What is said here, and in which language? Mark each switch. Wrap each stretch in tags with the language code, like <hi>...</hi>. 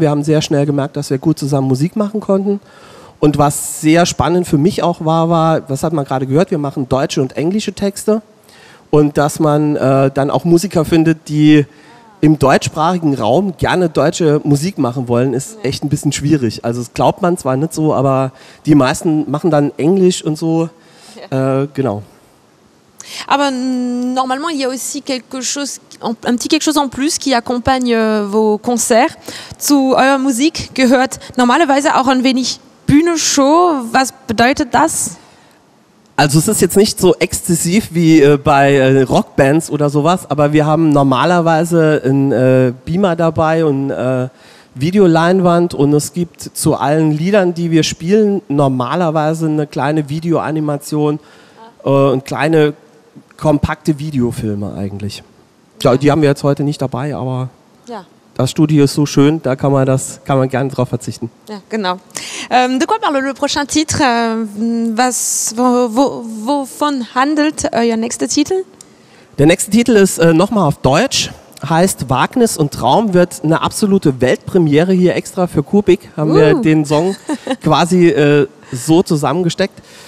<de>Wir haben sehr schnell gemerkt, dass wir gut zusammen Musik machen konnten. Und was sehr spannend für mich auch war, das hat man gerade gehört, wir machen deutsche und englische Texte. Und dass man dann auch Musiker findet, die im deutschsprachigen Raum gerne deutsche Musik machen wollen, ist echt ein bisschen schwierig. Also das glaubt man zwar nicht so, aber die meisten machen dann Englisch und so. Genau.</de> <fr>Aber normalement, il y a aussi quelque chose, un petit quelque chose en plus qui accompagne vos concerts.</fr> <de>Zu eurer Musik gehört normalerweise auch ein wenig Bühnenshow. Was bedeutet das? Also es ist jetzt nicht so exzessiv wie bei Rockbands oder sowas, aber wir haben normalerweise einen Beamer dabei und Videoleinwand und es gibt zu allen Liedern, die wir spielen, normalerweise eine kleine Videoanimation und kleine kompakte Videofilme eigentlich. Ja, die haben wir jetzt heute nicht dabei, aber ja. Das Studio ist so schön, da kann man gerne drauf verzichten. Ja, genau.</de> <fr>De quoi parle le prochain titre?</fr> <de>Wovon handelt euer nächster Titel? Der nächste Titel ist nochmal auf Deutsch, heißt Wagnis und Traum, wird eine absolute Weltpremiere hier extra für Kubik, haben wir den Song quasi so zusammengesteckt.</de>